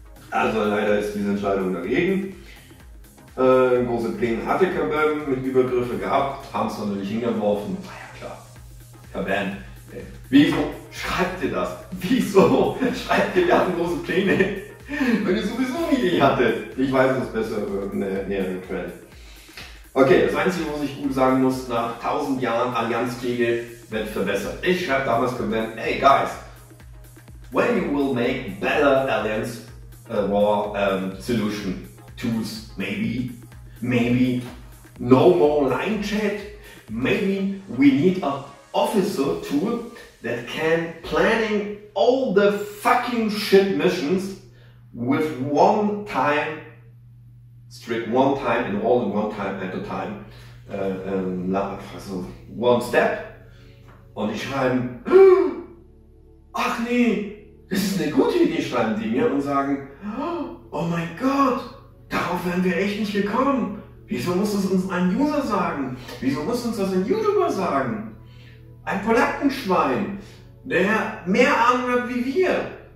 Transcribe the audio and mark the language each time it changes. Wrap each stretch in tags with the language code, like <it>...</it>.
<de>Also leider ist diese Entscheidung dagegen. Große Pläne hatte Kabam mit Übergriffen gehabt, haben es natürlich hingeworfen. War ja klar. Kabam. Wieso schreibt ihr das? Wieso schreibt ihr, wir hatten große Pläne, wenn ihr sowieso eine Idee hattet? Ich weiß es besser über eine nähere Quelle. Okay, das Einzige, was ich gut sagen muss, nach 1000 Jahren Allianzkegel wird verbessert. Ich schreibe damals Kabam,</de> <en>hey guys, when you will make better Alliance War Solution Tools, maybe no more line chat, maybe we need a officer tool that can planning all the fucking shit missions with one time strict one time and all in one time at a time also one step.</en> <de>Und ich schreibe, ach nee, das ist eine gute Idee, schreiben die mir und sagen, oh mein Gott, darauf wären wir echt nicht gekommen. Wieso muss das uns ein User sagen? Wieso muss uns das ein YouTuber sagen? Ein Polackenschwein, der mehr Ahnung hat wie wir.</de>